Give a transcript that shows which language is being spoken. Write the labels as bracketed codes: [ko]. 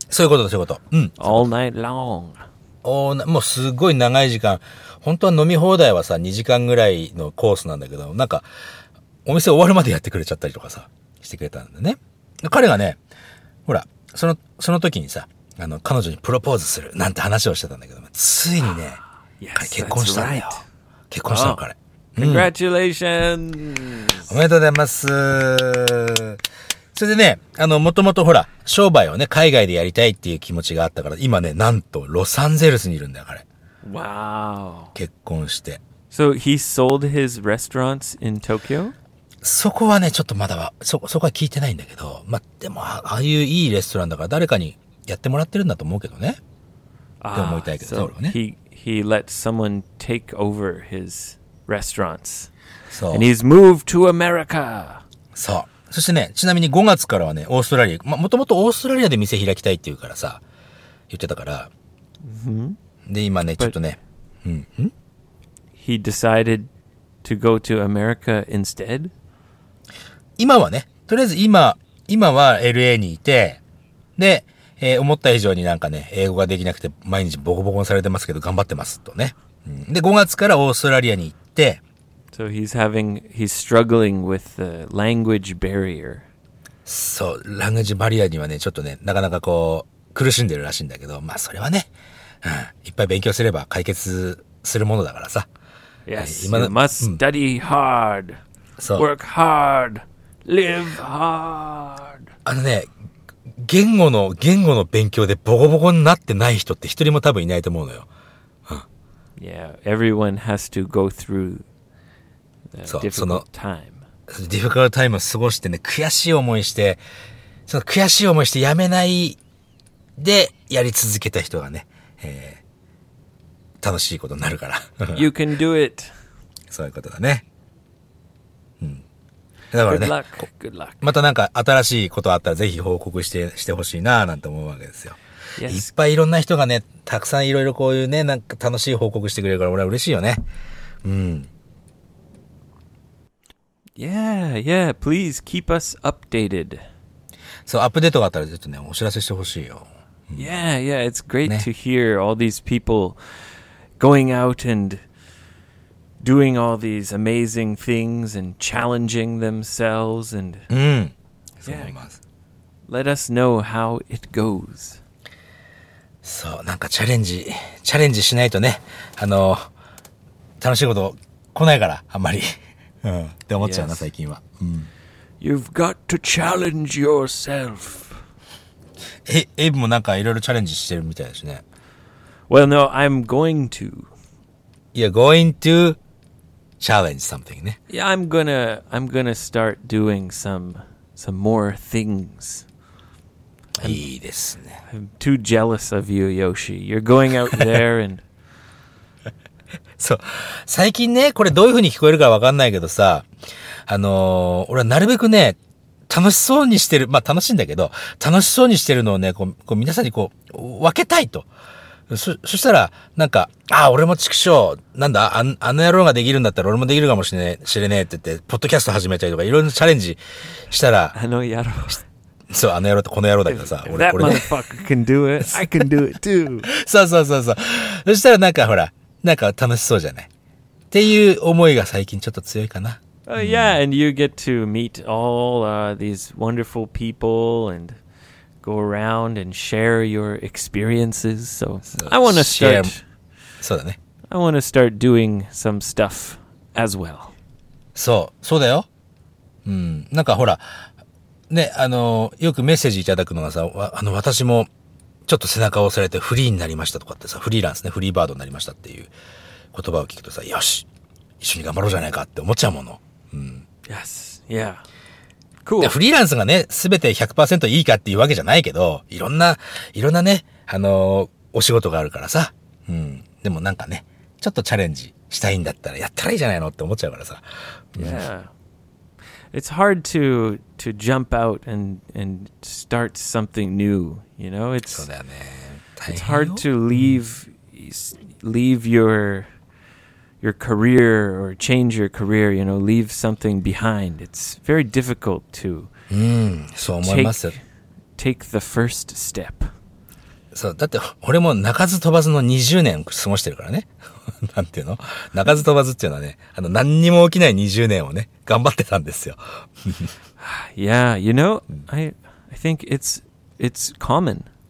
[ja] そういうことだ、そういうこと。うん。 [en] All night long. [ja] もうすごい長い時間。本当は飲み放題はさ、2時間ぐらいのコースなんだけど、なんか、お店終わるまでやってくれちゃったりとかさ、してくれたんだね。彼がね、ほら、その時にさ、彼女にプロポーズするなんて話をしてたんだけど、ついにね、 [en] yes, [ja] 結婚したのよ。 [en] Right. [ja] 結婚したの、彼。 [en] Congratulations! [ja] おめでとうございます。それでね、もともとほら、商売をね、海外でやりたいっていう気持ちがあったから、今ね、なんと、ロサンゼルスにいるんだよ、彼。 [en] Wow. [ja] 結婚して。 [en] So, he sold his restaurants in Tokyo? [ja] そこはね、ちょっとまだは、そこは聞いてないんだけど、ま、でも、ああいういいレストランだから、誰かにやってもらってるんだと思うけどね。ああ。って思いたいけど、そうね。 [en] He let someone take over his restaurants. [ja] そう。 [en] And he's moved to America. [ja] そう。そしてね、ちなみに5月からはね、オーストラリア、ま、もともとオーストラリアで店開きたいっていうからさ、言ってたから。 Mm-hmm. で、今ね、ちょっとね。 [en] He decided to go to America instead? [ja] 今はね、とりあえず今は LA にいて、で、思った以上になんかね、英語ができなくて毎日ボコボコにされてますけど、頑張ってますとね。で、5月からオーストラリアに行って、 [en] So he's struggling with the language barrier. [ja] そう、ランゲージバリアにはね、ちょっとね、なかなかこう、苦しんでるらしいんだけど、まあそれはね、いっぱい勉強すれば解決するものだからさ。 [en] Yes, [ja] 今の、 [en] you must study hard. [ja] そう。 [en] Work hard. Live hard. [ja] あのね、言語の勉強でボコボコになってない人って一人も多分いないと思うのよ。 [en] Yeah, everyone has to go through a difficult time. [ja] ディフィカルタイムを過ごしてね、悔しい思いして、その悔しい思いしてやめないでやり続けた人がね、楽しいことになるから。 [en] You can do it. [ja] そういうことだね。うん。だからね。 [en] Good luck. Good luck. [ja] またなんか新しいことあったらぜひ報告してほしいなぁなんて思うわけですよ。 [en] Yes. [ja] いっぱいいろんな人がね、たくさんいろいろこういうね、なんか楽しい報告してくれるから俺は嬉しいよね。うん。 [en] Yeah, yeah, please keep us updated. [ja] そう、アップデートがあったらちょっとね、お知らせしてほしいよ。う [en] ん、yeah, yeah, it's great、 [ja] ね、 [en] to hear all these people going out and doing all these amazing things and challenging themselves and... [ja] うん、そう思います。 [en] Yeah, let us know how it goes. [ja] そう、なんかチャレンジしないとね、楽しいこと来ないから、あんまり。うん、って思っちゃうな、 [en] yes. [ja] 最近は、うん、 [en] You've got to challenge yourself. [ja] エイブもなんかいろいろチャレンジしてるみたいですね。 [en] Well, no, I'm going to. You're going to challenge something, [ja] ね。 [en] Yeah, I'm gonna start doing some more things. [ja] いいですね。 [en] I'm too jealous of you, Yoshi. You're going out there and [ja] そう。最近ね、これどういう風に聞こえるか分かんないけどさ、俺はなるべくね、楽しそうにしてる、まあ楽しいんだけど、楽しそうにしてるのをね、こう皆さんにこう、分けたいと。そしたら、なんか、ああ、俺も畜生、なんだ、あの野郎ができるんだったら俺もできるかもしれねえ、知れねえって言って、ポッドキャスト始めたりとか、いろいろチャレンジしたら、あの野郎。そう、あの野郎とこの野郎だけどさ、俺 [en] that motherfucker can do it, I can do it too. [ja] そう。そしたらなんかほら、なんか楽しそうじゃないっていう思いが最近ちょっと強いかな。 [en] Yeah, and you get to meet all these wonderful people and go around and share your experiences. So I want to start. [ja] そうだね。 [en] I want to start doing some stuff as well. [ja] そうだよ。うん、なんかほらね、よくメッセージいただくのがさ、私も。ちょっと背中を押されてフリーになりましたとかってさ、フリーランスね、フリーバードになりましたっていう言葉を聞くとさ、よし、一緒に頑張ろうじゃないかって思っちゃうもの。うん。 [en] Yes, yeah. Cool. [ja] フリーランスがね、すべて 100% いいかっていうわけじゃないけど、いろんなね、お仕事があるからさ、うん。でもなんかね、ちょっとチャレンジしたいんだったらやったらいいじゃないのって思っちゃうからさ。 [en] Yeah. It's hard to jump out and start something new, you know, it's hard to leave your career or change your career, you know, leave something behind. It's very difficult to take the first step. [ja] そう、だって俺も鳴かず飛ばずの20年過ごしてるからね。なんていうの？鳴かず飛ばずっていうのはね、何にも起きない20年をね、頑張ってたんですよ。 [en] Yeah, you know, I think it's common.